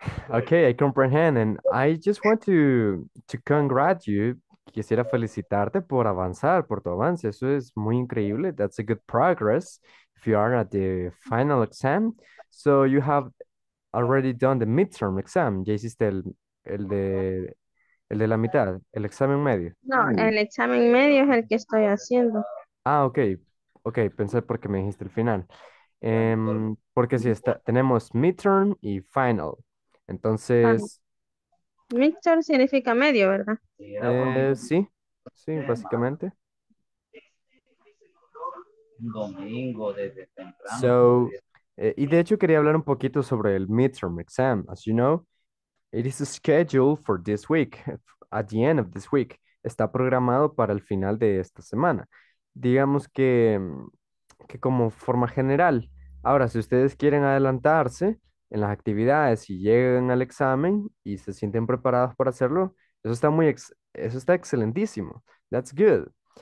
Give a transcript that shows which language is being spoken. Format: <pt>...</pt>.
<en>Okay, I comprehend and I just want to congratulate you.</en> <es>Quisiera felicitarte por avanzar, por tu avance. Eso es muy increíble.</es> <en>That's a good progress if you are at the final exam. So you have already done the midterm exam.</en> <es>Ya hiciste el de la mitad, el examen medio. El examen medio es el que estoy haciendo. Ah, ok, pensé porque me dijiste el final. Porque sí, tenemos midterm y final. Entonces, Mixture significa medio, ¿verdad? sí, básicamente. Domingo desde temprano. So, y de hecho quería hablar un poquito sobre el midterm exam.</es> <en>As you know, it is scheduled for this week, at the end of this week.</en> <es>Está programado para el final de esta semana. Digamos que como forma general. Ahora, si ustedes quieren adelantarse en las actividades y llegan al examen y se sienten preparados para hacerlo, eso está excelentísimo. That's good.</es>